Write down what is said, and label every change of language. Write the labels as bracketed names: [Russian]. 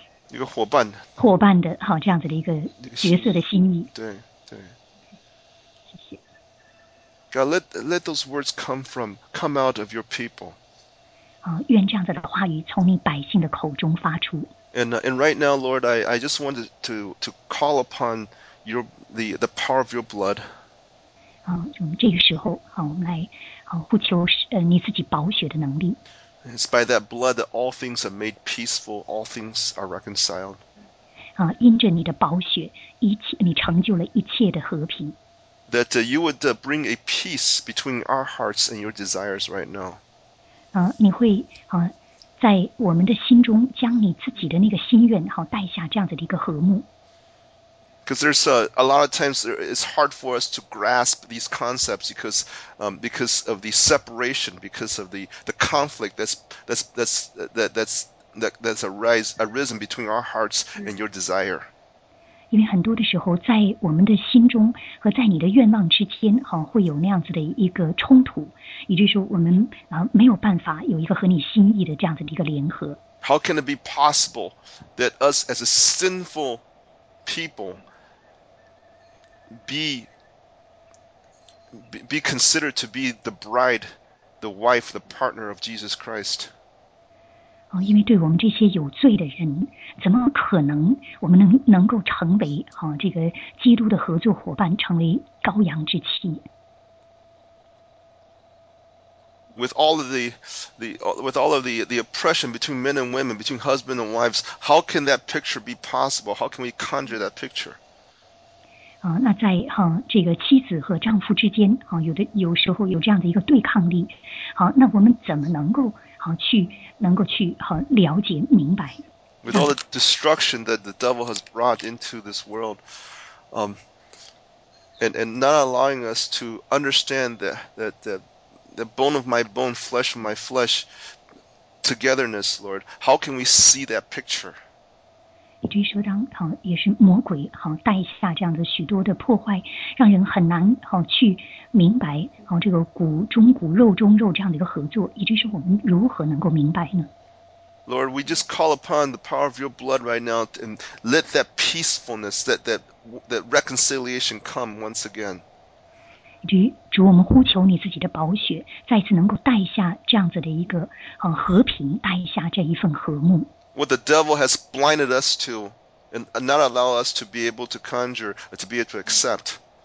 [Chinese] 一个伙伴，伙伴的这样子的一个角色的心意。对对，谢谢。 [English] God, let those words come out of your people. [Chinese] 愿这样子的话语从你百姓的口中发出。 [English] And right now, Lord, I just wanted to call upon your the power of your blood. [Chinese] 这个时候我们来呼求你自己宝血的能力。 [English] It's by that blood that all things are made peaceful, all things are reconciled. [Chinese] 因着你的宝血，你成就了一切的和平。 [English] That you would bring a peace between our hearts and your desires right now. [Chinese] 你会在我们的心中将你自己的那个心愿带下这样子的一个和睦。 [English] Because there's a lot of times it's hard for us to grasp these concepts because of the separation, because of the conflict that's arisen between our hearts and your desire. [Chinese] 因为很多的时候，在我们的心中和在你的愿望之间，会有那样子的一个冲突，也就是说，我们没有办法有一个和你心意的这样子的一个联合。 [English] How can it be possible that us as a sinful people be considered to be the bride, the wife, the partner of Jesus Christ? [Chinese] 因为对我们这些有罪的人，怎么可能我们能够成为这个基督的合作伙伴，成为羔羊之妻 [English] ？With all of the oppression between men and women, between husband and wives, how can that picture be possible? How can we conjure that picture? [Chinese] 那在这个妻子和丈夫之间有时候有这样的一个对抗力，那我们怎么能够去了解明白？ [English] With all the destruction that the devil has brought into this world, and not allowing us to understand that the bone of my bone, flesh of my flesh, togetherness, Lord, how can we see that picture? [Chinese] 也就是说当也是魔鬼带下这样的许多的破坏，让人很难去明白这个骨中骨肉中肉这样的一个合作，也就是我们如何能够明白呢？ [English] Lord, we just call upon the power of your blood right now and let that peacefulness, that reconciliation come once again. [Chinese] 主，我们呼求你自己的宝血再次能够带下这样子的一个和平，带下这一份和睦。 [English] What the devil has blinded us to, and not allow us to be able to conjure, to be able to accept.